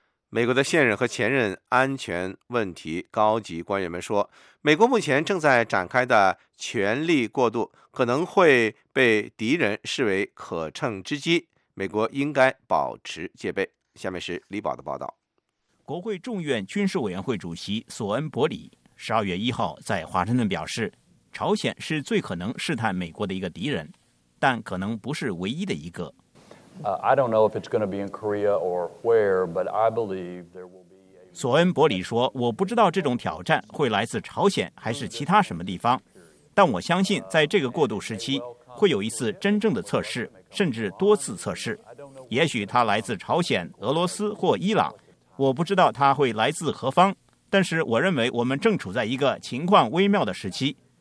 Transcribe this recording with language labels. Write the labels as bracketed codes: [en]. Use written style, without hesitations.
[zh] 美国的现任和前任安全问题高级官员们说，美国目前正在展开的权力过渡可能会被敌人视为可乘之机，美国应该保持戒备。下面是李宝的报道。国会众院军事委员会主席索恩伯里12月1号在华盛顿表示，朝鲜是最可能试探美国的一个敌人，但可能不是唯一的一个。 [en] I don't know if it's going to be in Korea or where, but I believe there will be. [zh] 索恩伯里说，我不知道这种挑战会来自朝鲜还是其他什么地方，但我相信在这个过渡时期会有一次真正的测试，甚至多次测试。也许它来自朝鲜、俄罗斯或伊朗，我不知道它会来自何方，但是我认为我们正处在一个情况微妙的时期。